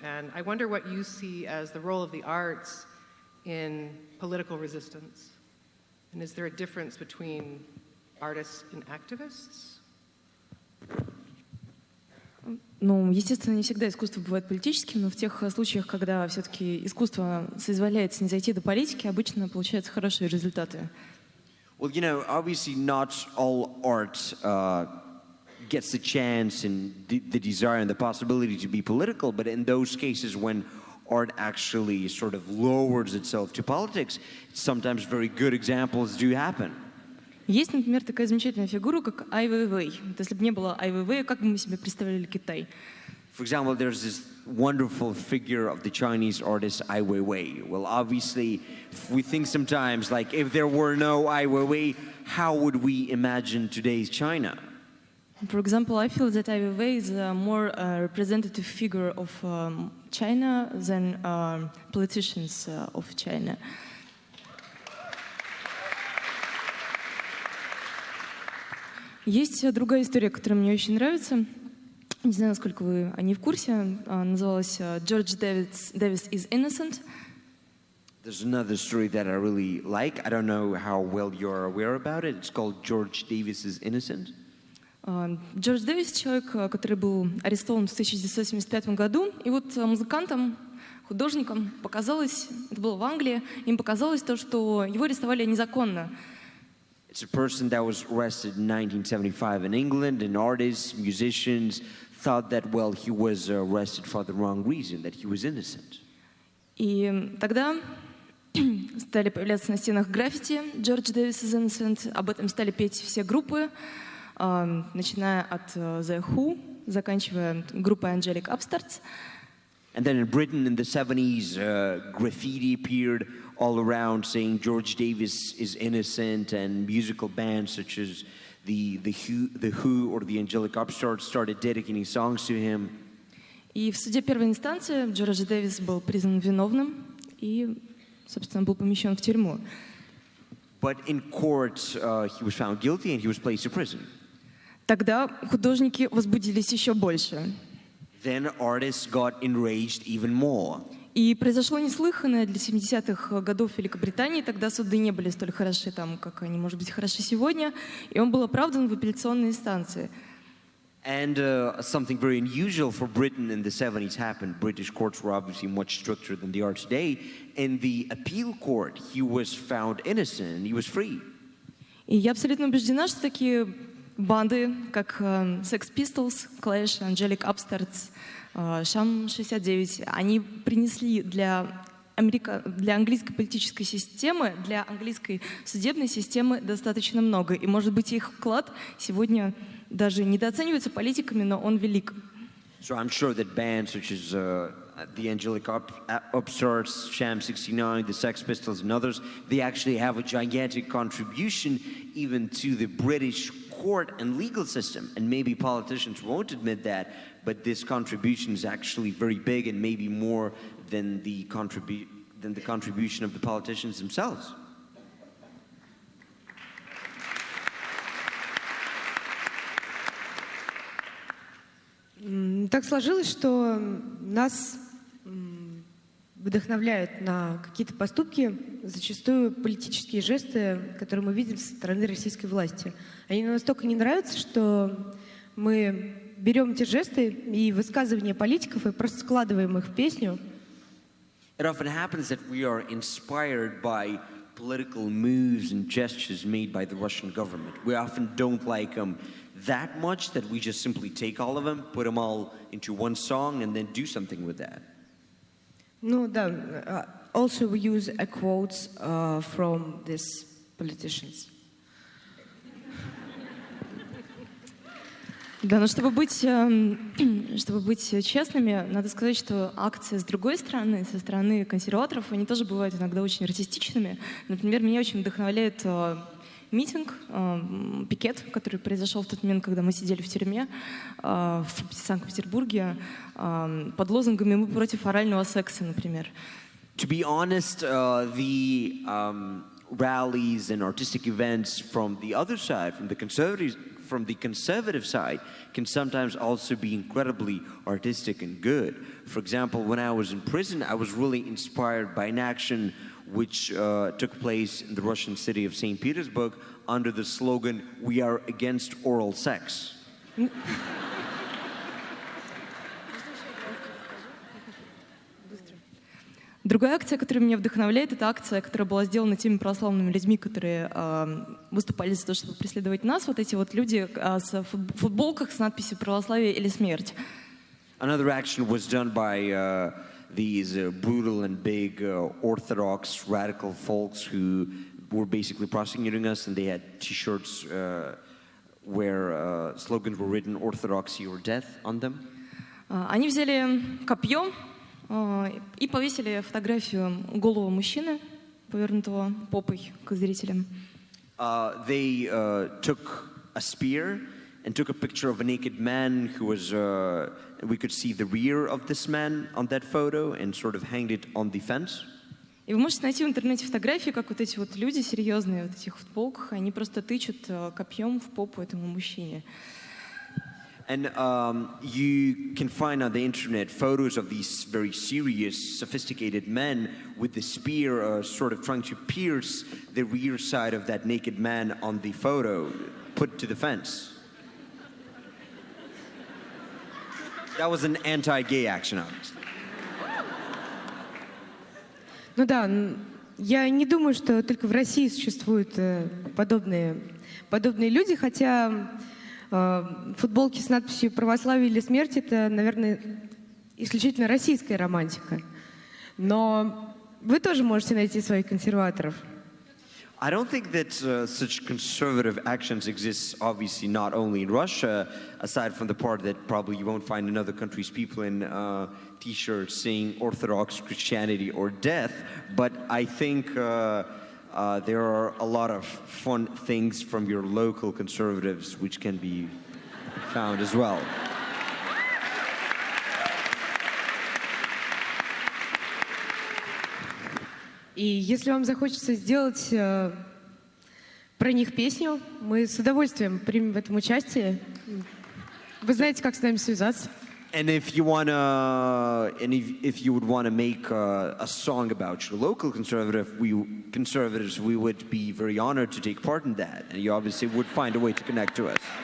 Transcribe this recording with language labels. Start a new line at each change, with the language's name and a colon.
English: And I wonder what you see as the role of the arts in political resistance. And is there a difference between artists and activists?
Russian: Ну, естественно, не всегда искусство бывает политическим, но в тех случаях, когда все-таки искусство соизволяет не зайти до политики, обычно получаются хорошие результаты.
English: Well, you know, obviously not all art gets the chance and the desire and the possibility to be political, but in those cases when art actually sort of lowers itself to politics, sometimes very good examples do happen.
Russian: Есть, например, такая замечательная фигура, как Ай Вейвей. Вот если бы не было Ай Вейвея, как бы мы себе представляли Китай?
English: For example, there's this wonderful figure of the Chinese artist Ai Weiwei. Well, obviously, we think sometimes, like, if there were no Ai Weiwei, how would we imagine today's China? For example, I feel that Ai Weiwei is a more representative figure of China than politicians of China.
Russian: Есть другая история, которая мне очень нравится. Не знаю, насколько вы о ней в курсе. Называлась George Davis is Innocent.
English: There's another story that I really like. I don't know how well you're aware about it. It's called George Davis is Innocent.
Russian: George Davis — человек, который был арестован в 1975 году. И вот музыкантам, художникам показалось, это было в Англии, им показалось то, что его арестовали незаконно.
English: It's a person that was arrested in 1975 in England, and artists, musicians thought that, well, he was arrested for the wrong reason, that he was innocent.
Russian: И тогда стали появляться на стенах граффити «George Davis is innocent», об этом стали петь все группы, начиная от The Who, заканчивая группой Angelic Upstarts.
English: And then in Britain in the 70s, graffiti appeared all around saying George Davis is innocent, and musical bands such as the Who or the Angelic Upstarts started dedicating songs to him.
Russian: И в суде первой инстанции Джордж Дэвис был признан виновным и, собственно, был помещен в тюрьму.
English: But in court, he was found guilty and he was placed in prison.
Russian: Тогда художники возбудились еще больше.
English: Then artists got enraged even more.
Russian: И произошло неслыханное для 70-х годов Великобритании. Тогда суды не были столь хороши там, как они, может быть, хороши сегодня. И он был оправдан в апелляционной инстанции.
English: And something very unusual for Britain in the 70s happened. British courts were obviously much stricter than they are today. In the appeal court, he was found innocent. He was free.
Russian: И я абсолютно убеждена, что такие банды, как Sex Pistols, Clash, Angelic Upstarts, Шам 69, они принесли для английской политической системы, для английской судебной системы достаточно много. И, может быть, их вклад сегодня даже недооценивается политиками, но он велик.
English: So I'm sure that bands such as the Angelic Upstarts, Sham 69, the Sex Pistols and others, they actually have a gigantic contribution even to the British court and legal system. And maybe politicians won't admit that, but this contribution is actually very big and maybe more than the contribution of the politicians themselves.
Russian: Так сложилось, что нас вдохновляют на какие-то поступки, зачастую политические жесты, которые мы видим со стороны российской власти. Они нам настолько не нравятся, что мы берем эти жесты и высказывания политиков и просто складываем их в песню.
English: It often happens that we are inspired by political moves and gestures made by the Russian government. We often don't like them that much that we just simply take all of them, put them all into one song, and then do something with that. No, да. Also, we use a quote from these politicians.
Russian: Да, но чтобы быть честными, надо сказать, что акции с другой стороны, со стороны консерваторов, они тоже бывают иногда очень артистичными. Например, меня очень вдохновляет митинг, пикет, который произошел в тот момент, когда мы сидели в тюрьме в Санкт-Петербурге под лозунгами «Мы против орального секса», например.
English: To be honest, rallies and artistic events from the other side, from the conservative side, can sometimes also be incredibly artistic and good. For example, when I was in prison, I was really inspired by an action which took place in the Russian city of St. Petersburg under the slogan, "We are against oral sex."
Russian: Другая акция, которая меня вдохновляет, это акция, которая была сделана теми православными людьми, которые выступали за то, чтобы преследовать нас, вот эти вот люди с футболках с надписью «Православие или смерть».
English: Another action was done by these brutal and big orthodox radical folks who were basically prosecuting us, and they had t-shirts where slogans were written «Orthodoxy or death» on them.
Russian: Они взяли копье и повесили фотографию голого мужчины, повернутого попой к зрителям.
English: They took a spear and took a picture of a naked man who was... We could see the rear of this man on that photo and sort of hanged it on the fence.
Russian: И вы можете найти в интернете фотографии, как вот эти вот люди серьезные, вот этих футболках, они просто тычут копьем в попу этому мужчине.
English: And you can find on the internet photos of these very serious, sophisticated men with the spear sort of trying to pierce the rear side of that naked man on the photo, put to the fence. That was an anti-gay action, obviously.
Russian: Ну да, я не думаю, что только в России существуют подобные люди, хотя... Футболки с надписью «Православие или смерть» — это, наверное, исключительно российская романтика. Но вы тоже можете найти своих консерваторов.
English: I don't think that such conservative actions exist, obviously, not only in Russia, aside from the part that probably you won't find in other countries' people in t-shirts saying Orthodox Christianity or death, but I think... There are a lot of fun things from your local conservatives which can be found as well.
Russian: И если вам захочется сделать про них песню, мы с удовольствием примем в этом участие. Вы знаете, как с нами связаться.
English: And if you wanna, and if you would wanna make a song about your local conservatives, we would be very honored to take part in that. And you obviously would find a way to connect to us.